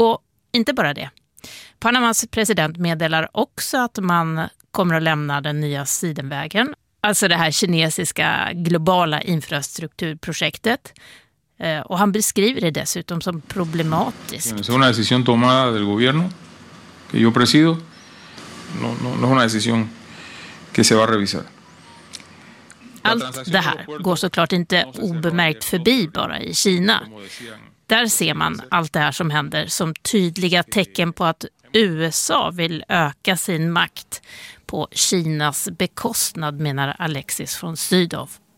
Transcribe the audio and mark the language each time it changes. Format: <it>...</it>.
<sv>Och inte bara det. Panamas president meddelar också att man kommer att lämna den nya Sidenvägen, alltså det här kinesiska globala infrastrukturprojektet. Och han beskriver det dessutom som problematiskt. Det är en</sv> <es>decisión tomada del gobierno que yo presido. No es una decisión que se va a revisar.</es> <sv>Allt det här går såklart inte obemärkt förbi bara i Kina. Där ser man allt det här som händer som tydliga tecken på att USA vill öka sin makt på Kinas bekostnad, menar Alexis von Sydow.</sv>